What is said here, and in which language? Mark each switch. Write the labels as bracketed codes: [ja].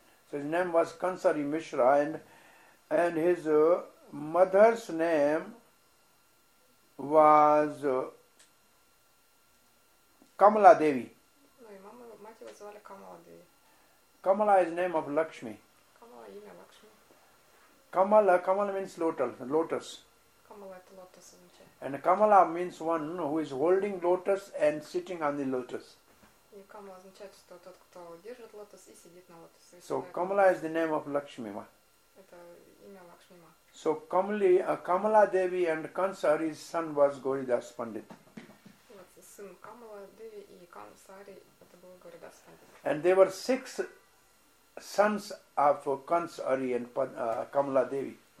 [en] So his name was Kansari Mishra, and his mother's name was Kamala Devi. [ru] Ну и мама, мать его звали Kamala Devi. [en] Kamala is name of Lakshmi. [ru] Kamala, имя Лакшми. [en] Kamala means lotus. [ru] Kamala это лотос означает. [en] And Kamala means one who is holding lotus and sitting on the lotus. [ru] И Kamala означает, что тот, кто держит лотос и сидит на лотосе. [en] So Kamala is the name of Lakshmi Ma. [ru] Это имя Лакшми Ма. [en] So Kamala Devi and Kansari's son was Goridas Pandit. [ru] Вот сын Kamala Devi и Kansari это был Goridas Pandit. [en] And they were six sons of Kansari and Kamala Devi.